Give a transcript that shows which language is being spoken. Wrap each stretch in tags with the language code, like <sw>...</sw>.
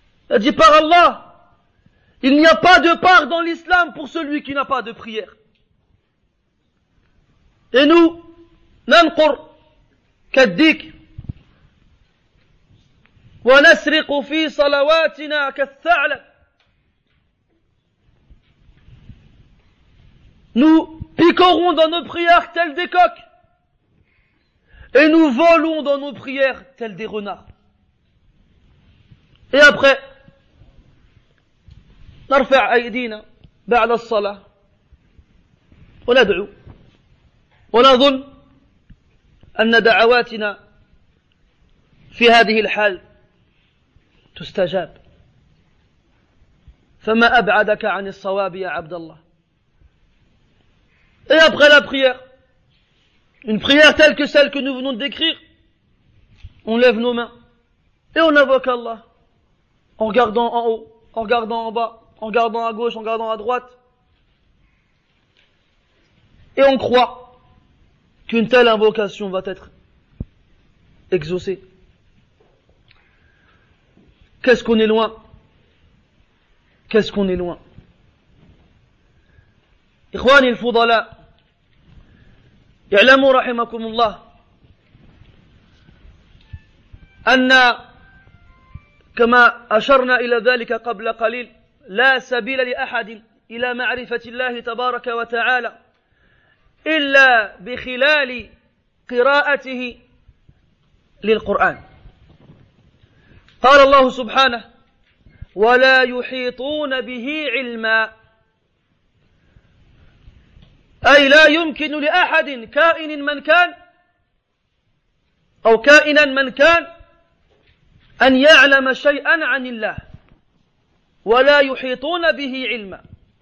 <fr>Il a dit « Par Allah, il n'y a pas de part dans l'islam pour celui qui n'a pas de prière. » Et nous,</fr> <ar>ننقر كالديك ونسرق في صلواتنا كالثعلب.</ar> <fr>Nous piquerons dans nos prières telles des coques. Et nous volons dans nos prières telles des renards. Et après,</fr> <ar>نرفع أيدينا بعد الصلاة وندعو ونظن أن دعواتنا في هذه الحال تستجاب. فما أبعدك عن الصواب يا عبد الله.</ar> <fr>Et après la prière, une prière telle que celle que nous venons de décrire, on lève nos mains et on invoque Allah en regardant en haut, en regardant en bas, en regardant à gauche, en regardant à droite, et on croit qu'une telle invocation va être exaucée. Qu'est-ce qu'on est loin? Qu'est-ce qu'on est loin?</fr> <ar>Ikhwani al-fudala, ya'lamu rahimakumullah, anna kama asharna ila dhalika qabla qalil, la sabila li ahadin ila ma'rifatillahi tabaraka wa ta'ala إلا بخلال قراءته للقرآن. قال الله سبحانه ولا يحيطون به علما, أي لا يمكن لأحد كائن من كان أو كائنا من كان أن يعلم شيئا عن الله ولا يحيطون به علما.</ar>